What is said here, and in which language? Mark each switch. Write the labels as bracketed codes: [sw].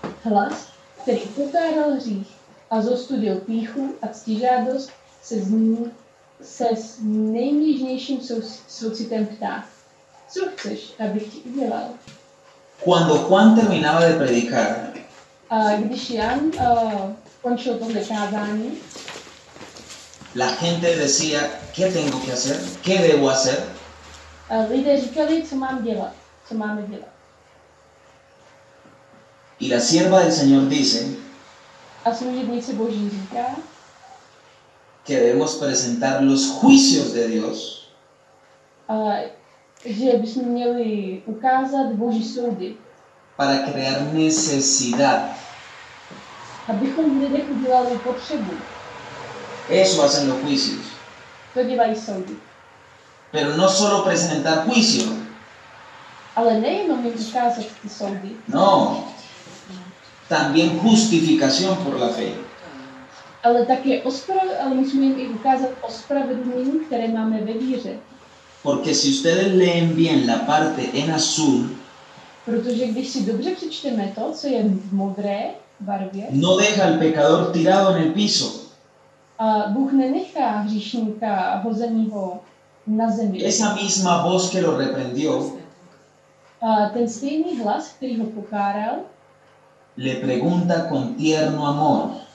[cs] Hlas, který pokáral hřích a zostudil píchu a ctižádost, se zní se s nejnižnějším soucitem ptá. Co chceš, abych ti udělal? [es] Cuando Juan terminaba de predicar. [cs] A když Jan končil tohle kázání. [es] La gente decía, ¿qué tengo que hacer? ¿Qué debo hacer? [cs] A lidé říkali, co mám dělat. Co máme dělat. [es] Y la sierva del Señor dice. [cs] A služebnice Boží říká. [es] Que debemos presentar los juicios de Dios. [cs] Že bychom měli ukázat Boží soudy. [es] Para crear necesidad. [cs] Abychom v lidech udělali potřebu. [es] Eso hacen los juicios. [cs] To dělají soudy. [es] Pero no solo presentar juicio. [cs] Ale nejenom jim ukázat ty soudy. [es] No. También justificación por la fe. [cs] Ale také ale musíme jim i ukázat ospravedlnění, které máme ve víře. [es] Porque si ustedes leen bien la parte en azul, [cs] protože když si dobře přečteme to, co je v modré barvě, [es] no deja al pecador tirado en el piso. [cs] A Bůh nenechá hříšníka hozeného na zemi. [es] Esa misma voz que lo reprendió, [cs] a ten stejný hlas, který ho pokáral, [es] le pregunta con tierno amor.